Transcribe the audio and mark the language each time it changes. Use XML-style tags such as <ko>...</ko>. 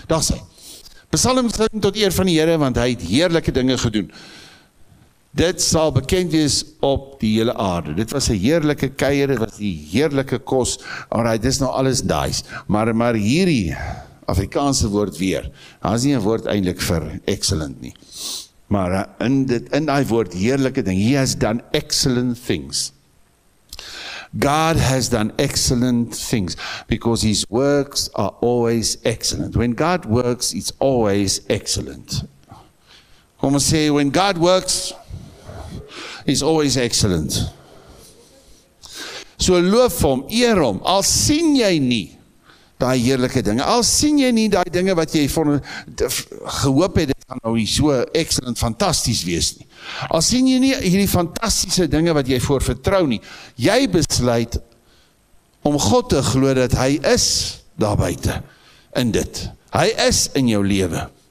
<af>Daar sê, Psalm sing tot eer van die Here, want hy het heerlijke dinge gedoen. Dit sal bekend wees op die hele aarde. Dit was die heerlijke keier, dit was die heerlijke kos. Alright, dit is nou alles dies. Maar hierdie Afrikaanse woord weer, dat is nie een woord eindelijk vir excellent nie. Maar in dit, in die woord, heerlijke ding,</af> <en>he has done excellent things. God has done excellent things, because his works are always excellent. When God works, it's always excellent.</en> <af>Kom ons sê,</af> <en>when God works, it's always excellent.</en> <af>So loof hom, eer hom, al sien jy nie die heerlijke dinge, al sien jy nie die dinge wat jy gehoop het, nou hier so excellent, fantastisch wees nie. Al sien jy nie hierdie fantastische dinge wat jy voor vertrou nie, jy besluit om God te glo dat hy is daar buiten, in dit. Hy is in jou leven.</af>